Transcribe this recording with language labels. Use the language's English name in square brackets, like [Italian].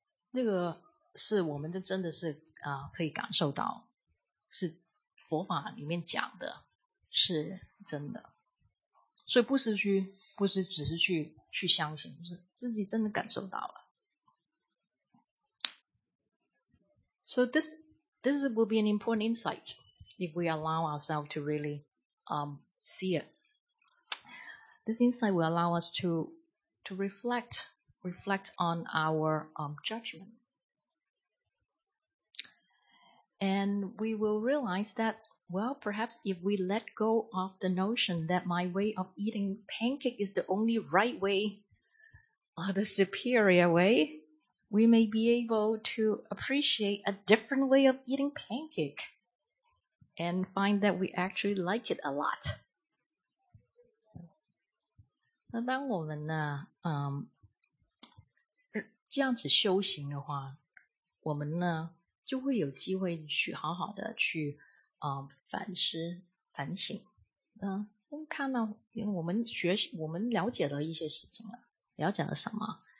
[Chinese] 那个是我们的真的是可以感受到，是佛法里面讲的是真的。所以不是只是去相信，就是自己真的感受到了。 [English] So this will be an important insight if we allow ourselves to really see it. This insight will allow us to reflect on our judgment. And we will realize that Well, perhaps if we let go of the notion that my way of eating pancake is the only right way or the superior way, we may be able to appreciate a different way of eating pancake and find that we actually like it a lot. [Chinese] 那当我们呢，这样子修行的话，我们呢就会有机会去好好的去反思反省。看到我们学习，我们了解了一些事情了，了解了什么？